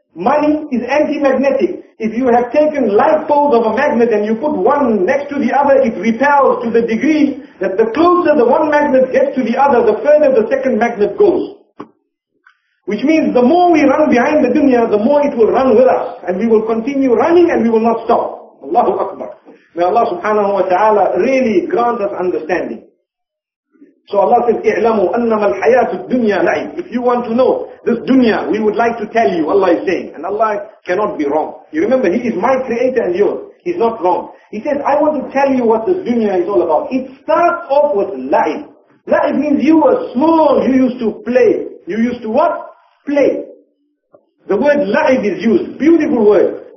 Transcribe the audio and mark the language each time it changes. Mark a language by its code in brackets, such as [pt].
[en] Money is anti-magnetic. If you have taken light poles of a magnet and you put one next to the other, it repels to the degree that the closer the one magnet gets to the other, the further the second magnet goes. Which means the more we run behind the dunya, the more it will run with us. And we will continue running and we will not stop. Allahu Akbar. May Allah subhanahu wa ta'ala really grant us understanding. So Allah says, [ar] اِعْلَمُوا أَنَّمَا الْحَيَاةُ الدُّنْيَا لَعِبْ. [en] If you want to know this dunya, we would like to tell you, Allah is saying. And Allah cannot be wrong. You remember, He is my creator and yours. He's not wrong. He says, I want to tell you what this dunya is all about. It starts off with la'ib. La'ib means you were small, you used to play. You used to what? Play. The word la'ib is used. Beautiful word.